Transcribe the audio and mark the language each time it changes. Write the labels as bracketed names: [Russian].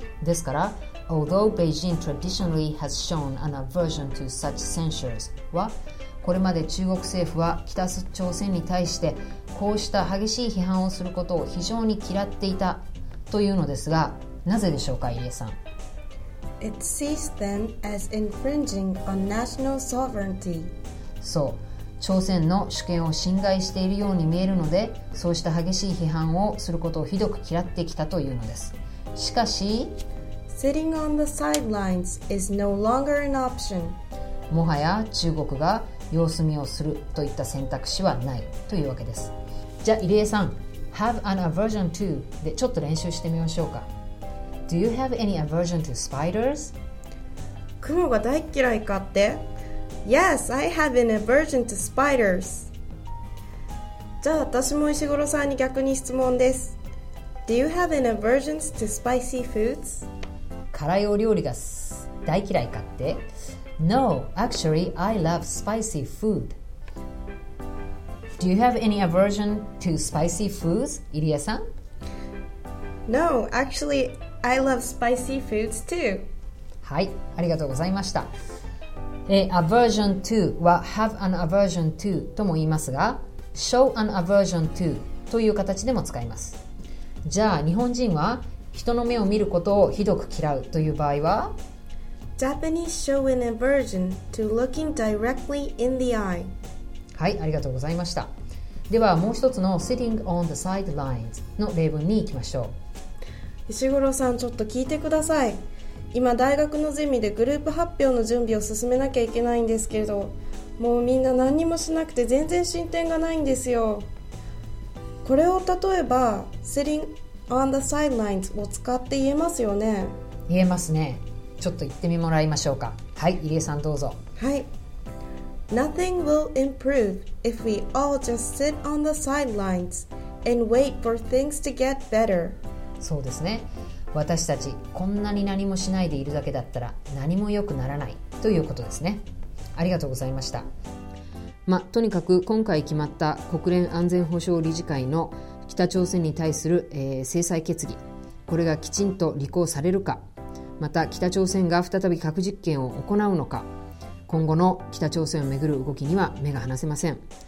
[Japanese] ですから、 [English] Although Beijing traditionally has shown an aversion to such censures [Japanese] は、これまで中国政府は北朝鮮に対してこうした激しい批判をすることを非常に嫌っていたというのですが、なぜでしょうか、入江さん。 [English] It sees them as infringing on national sovereignty. [Japanese] そう、朝鮮の主権を侵害しているように見えるので、そうした激しい批判をすることをひどく嫌ってきたというのです。しかし、 [English] Sitting on the sidelines is no longer an option. [Japanese] もはや中国が様子見をするといった選択肢はないというわけです。じゃあ、入江さん、 [English] Have an aversion to [Japanese] でちょっと練習してみましょうか。 [English] Do you have any aversion to spiders? [Japanese] 雲が大嫌いかって。 [English] Yes, I have an aversion to spiders. [Japanese] じゃあ、私も石黒さんに逆に質問です。 [English] Do you have an aversion to spicy foods? [Japanese] 辛いお料理が大嫌いかって。 [English] No, actually I love spicy food. Do you have any aversion to spicy foods, 入江さん。 No, actually I love spicy foods too. [Japanese] はい、ありがとうございました。 Aversion to は [English] Have an aversion to [Japanese] とも言いますが、 [English] Show an aversion to [Japanese] という形でも使います。じゃあ、日本人は人の目を見ることをひどく嫌うという場合は、 [English] Japanese show an aversion to looking directly in the eye. [Japanese] はい、ありがとうございました。ではもう一つの [English] sitting on the sidelines [Japanese] の例文に行きましょう。石黒さん、ちょっと聞いてください。今大学のゼミでグループ発表の準備を進めなきゃいけないんですけど、もうみんな何もしなくて全然進展がないんですよ。これを例えば [English] sittingOn the sidelines [Japanese] を使って言えますよね。言えますね。ちょっと言ってみもらいましょうか。はい、入江さん、どうぞ。はい。 [English] Nothing will improve if we all just sit on the sidelines and wait for things to get better. [Japanese] そうですね。私たち、こんなに何もしないでいるだけだったら何も良くならないということですね。ありがとうございました。まあ、とにかく今回決まった国連安全保障理事会の北朝鮮に対する、制裁決議、これがきちんと履行されるか、また北朝鮮が再び核実験を行うのか、今後の北朝鮮をめぐる動きには目が離せません。